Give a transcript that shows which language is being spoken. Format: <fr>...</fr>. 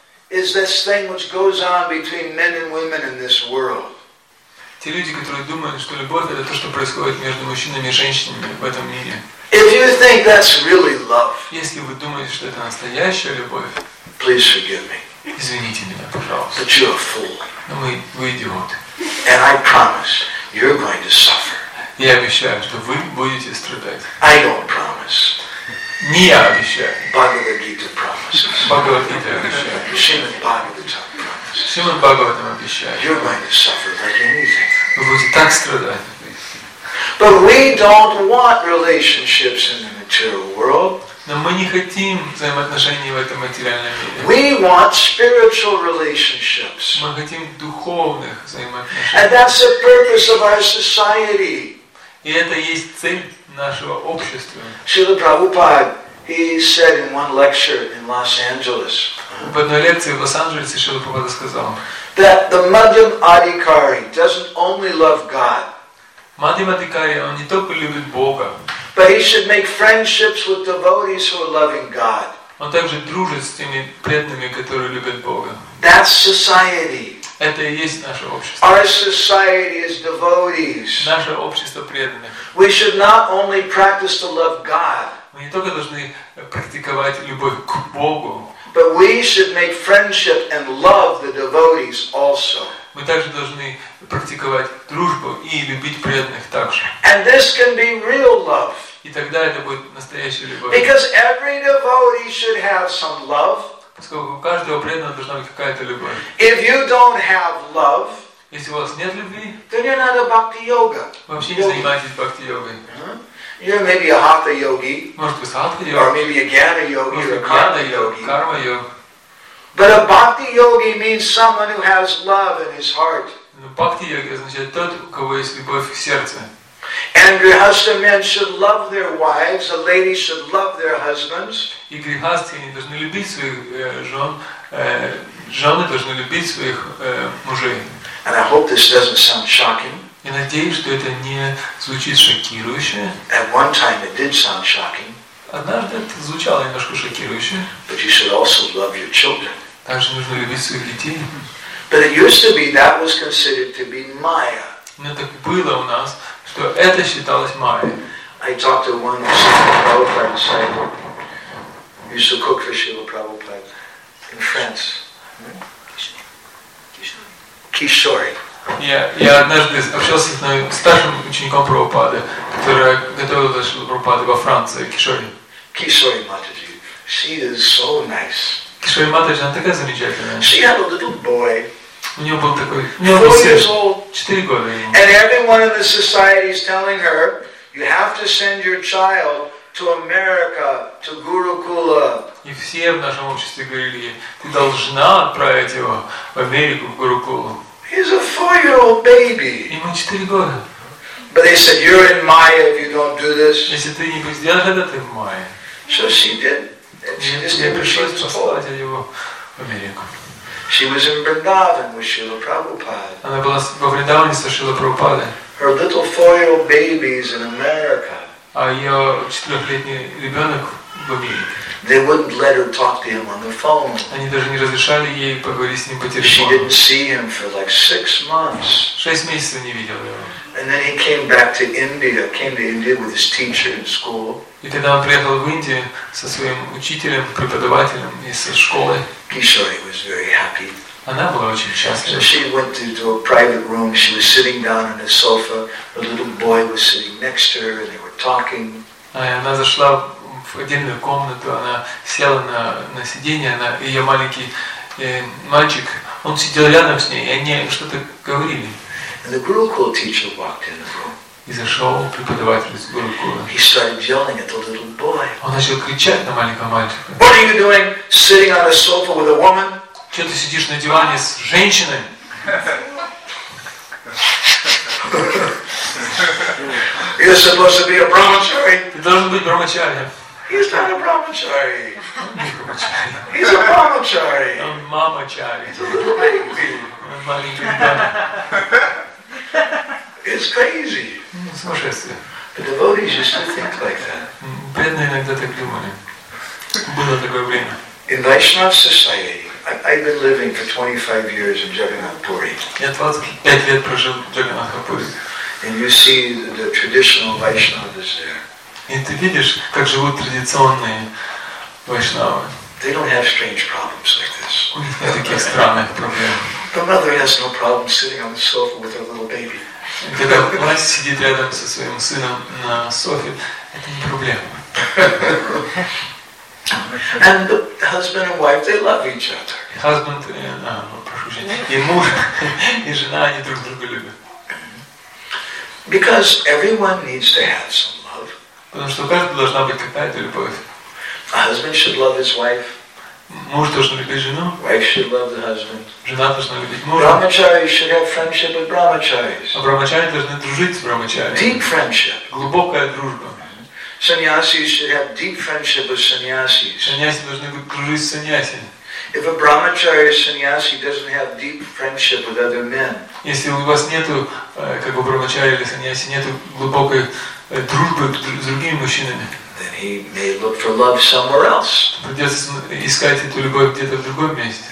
<en>this thing which goes on between men and women in this world.</en> <ru>Те люди, которые думают, что любовь это то, что происходит между мужчинами и женщинами в этом мире.</ru> <en>If you think that's really love,</en> <ru>если вы думаете, что это настоящая любовь,</ru> <en>please forgive me.</en> <ru>Извините меня, пожалуйста.</ru> <en>But you're a fool.</en> <ru>Но вы идиот.</ru> <en>And I promise, you're going to suffer.</en> <ru>Я обещаю, что вы будете страдать.</ru> <en>I don't promise.</en> <ru>Не я обещаю.</ru> <en>Бхагавад-гита promises.</en> <ru>Бхагавад-гита обещает.</ru> <en>Шримад Бхагаватам promises.</en> <ru>Шримад Бхагаватам обещает.</ru> <en>You're going to suffer like anything.</en> <ru>Вы будете так страдать.</ru> <en>But we don't want relationships in the material world.</en> <ru>Но мы не хотим взаимоотношений в этом материальном мире.</ru> <en>We want spiritual relationships.</en> <ru>Мы хотим духовных взаимоотношений.</ru> <en>And that's the purpose of our society.</en> <ru>И это есть цель нашего общества.</ru> <en>Шрила Прабхупада, he said in one lecture in Los Angeles.</en> <ru>В одной лекции в Лос-Анджелесе Шрила Прабхупада сказал.</ru> <en>That the Madhyam Adhikari doesn't only love God.</en> <ru>Мадхимадхикари, он не только любит Бога.</ru> <en>But he should make friendships with devotees who are loving God.</en> <ru>Он также дружит с теми преданными, которые любят Бога.</ru> <en>That's society.</en> <ru>Это и есть наше общество.</ru> <en>Our society is devotees.</en> <ru>Наше общество преданных.</ru> <en>We should not only practice to love God.</en> <ru>Мы не только должны практиковать любовь к Богу.</ru> <en>But we should make friendship and love the devotees also.</en> <ru>Мы также должны практиковать дружбу и любить преданных также.</ru> <en>And this can be real love.</en> <ru>И тогда это будет настоящая любовь.</ru> <en>Because every devotee should have some love.</en> <ru>Поскольку у каждого преданного должна быть какая-то любовь.</ru> <en>If you don't have love,</en> <ru>если у вас нет любви,</ru> <en>then you're not a bhakti yoga.</en> <ru>Вообще не занимаетесь бхакти йогой.</ru> <en>You're maybe a hatha yogi.</en> <ru>Может быть hatha yogi.</ru> <en>Or maybe a jnana yogi.</en> <ru>Может быть karma yogi. Karma yogi.</ru> <en>But a bhakti yogi means someone who has love in his heart.</en> <ru>Бхакти йоги означает тот, у кого есть любовь в сердце.</ru> <en>And grihastha men should love their wives. A lady should love their husbands.</en> <ru>И грихастхи должны любить своих жен. Жены должны любить своих мужей.</ru> <en>And I hope this doesn't sound shocking.</en> <ru>Я надеюсь, что это не звучит шокирующе.</ru> <en>At one time it did sound shocking.</en> <ru>Однажды это звучало немножко шокирующе.</ru> <en>But you should also love your children.</en> <ru>Также нужно любить своих детей.</ru> <en>But it used to be that was considered to be Maya.</en> <ru>Но так было у нас, что это считалось Майя.</ru> <en>I talked to one Prabhupada said, he used to cook for Srila Prabhupada in France. Kishori.</en> <ru>Я однажды общался с одним старшим учеником Прабхупады, который готовил для Шрилы Прабхупады во Франции, Кишори.</ru> <en>Кишори Матаджи. She is so nice.</en> <ru>Кишори Матаджи, она такая замечательная.</ru> <en>She had a little boy.</en> <ru>У нее был такой. У нее был сын. 4 года.</ru> <en>And everyone in the society is telling her, you have to send your child to America, to Gurukula.</en> <ru>И все в нашем обществе говорили ей, ты должна отправить его в Америку, в Гурукулу.</ru> <en>He's a four-year-old baby.</en> <ru>Ему 4 года.</ru> <en>But they said you're in Maya if you don't do this.</en> <ru>Если ты не будешь делать это, ты в Майе.</ru> <en>So she did. She</en> <ru>пришлось послать его в Америку.</ru> <en>She was in Vrindavan with Srila Prabhupada.</en> <ru>Она была во Вриндаване со Шрилой Прабхупадой.</ru> <en>Her little four-year-old baby is in America.</en> <ru>А ее 4-летний ребенок в Америке.</ru> <en>They wouldn't let her talk to him on the phone.</en> <ru>Они даже не разрешали ей поговорить с ним по телефону.</ru> <en>She didn't see him for like 6 months.</en> <ru>6 месяцев не видел его.</ru> <en>And then he came back to India. Came to India with his teacher in school.</en> <ru>И когда он приехал в Индию со своим учителем, преподавателем из школы.</ru> <en>Kishori was very happy.</en> <ru>Она была очень счастлива.</ru> <en>So she went into a private room. She was sitting down on the sofa. A little boy was sitting next to her, and they were talking.</en> <ru>Она зашла в отдельную комнату, она села на сиденье, она, ее маленький мальчик, он сидел рядом с ней, и они что-то говорили.</ru> <en>And the Gurukul teacher walked in the room.</en> <ru>И зашел преподаватель из Гурукула.</ru> <en>He started yelling at the little boy.</en> <ru>Он начал кричать на маленького мальчика.</ru> <en>What are you doing sitting on a sofa with a woman?</en> <ru>Че ты сидишь на диване с женщиной?</ru> <en>You're supposed to be a brahmachari.</en> <ru>Ты должен быть брахмачарием.</ru> <en>He's not a brahmachari. He's a brahmachari. A mamachari. He's a little baby. A</en> <ru>маленький ребенок.</ru> <en>It's crazy.</en> <ru>Сумасшествие.</ru> <en>The devotees used to think like that.</en> <ru>Бедные иногда так думали. Было такое время.</ru> <en>In Vaishnava society. I've been living for 25 years in Jagannath Puri.</en> <ru>Я 25 лет прожил в Джаганнатхапури.</ru> <en>And you see the traditional Vaishnavas there.</en> <ru>И ты видишь, как живут традиционные вайшнавы.</ru> <en>They don't have strange problems like this.</en> <ru>У них нет таких странных проблем.</ru> <en>The mother has no problem sitting on the sofa with her little baby.</en> <ru>Когда мать сидит рядом со своим сыном на софе, это не проблема.</ru> <en>And the husband and wife, they love each other. Husband,</en> <ru>и муж, и жена, они друг друга любят.</ru> <en>Because everyone needs to have some love.</en> <ru>Потому что у каждого должна быть какая-то любовь.</ru> <en>A husband should love his wife.</en> <ru>Муж должен любить жену.</ru> <en>Wife should love the husband.</en> <ru>Жена должна любить мужа.</ru> <en>Brahmachari should have friendship with brahmacharis.</en> <ru>А брахмачари должны дружить с брахмачари.</ru> <en>Deep friendship.</en> <ru>Глубокая дружба.</ru> <en>Sannyasis should have deep friendship with sannyasis.</en> <ru>Sannyasis должны дружить с саньясами.</ru> <en>If a brahmachari or sannyasi doesn't have deep friendship with other men,</en> <ru>если у вас нету, как бы брахмачари или саньяси, нету глубокой дружбы с другими мужчинами,</ru> <en>then he may look for love somewhere else.</en> <ru>Придется искать эту любовь где-то в другом месте.</ru>